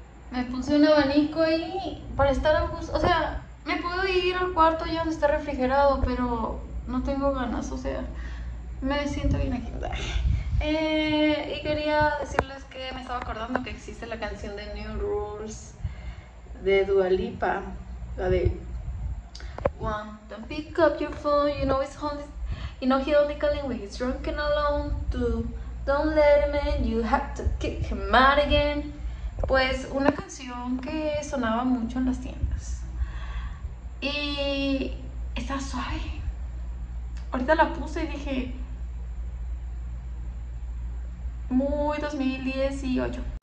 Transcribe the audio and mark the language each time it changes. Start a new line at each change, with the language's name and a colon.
Spanish: Me puse un abanico ahí para estar a gusto. O sea, me puedo ir al cuarto ya donde está refrigerado, pero no tengo ganas. O sea, me siento bien aquí. Y quería decirles que me estaba acordando que existe la canción de New Rules de Dua Lipa. La de...
English: One, don't pick up your phone, you know it's home. You know he only calling when he's drunk and alone too. Don't let him in, you have to kick him out again.
Spanish: Pues una canción que sonaba mucho en las tiendas. Y está suave. Ahorita la puse y dije... Muy 2018.